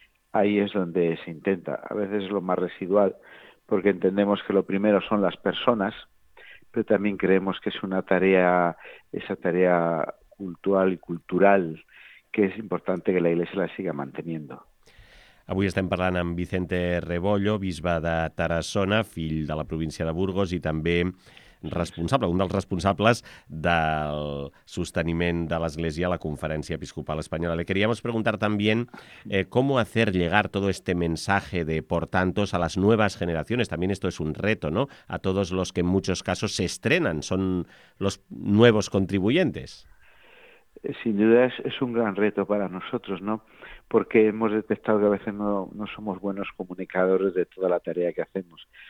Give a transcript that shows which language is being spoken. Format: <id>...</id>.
<es>Ahí es donde se intenta. A veces es lo más residual, porque entendemos que lo primero son las personas, pero también creemos que es una tarea, esa tarea cultural y cultural, que es importante que la Iglesia la siga manteniendo.</es> <ca>Avui estem parlant amb Vicente Rebollo, bisbe de Tarassona, fill de la província de Burgos i també responsable, un dels responsables del sosteniment de l'Església a la Conferència Episcopal Espanyola.</ca> <es>Le queríamos preguntar también cómo hacer llegar todo este mensaje de por tantos a las nuevas generaciones. También esto es un reto, ¿no? A todos los que en muchos casos se estrenan, son los nuevos contribuyentes. Sin duda es un gran reto para nosotros, ¿no? Porque hemos detectado que a veces no somos buenos comunicadores de toda la tarea que hacemos.</es>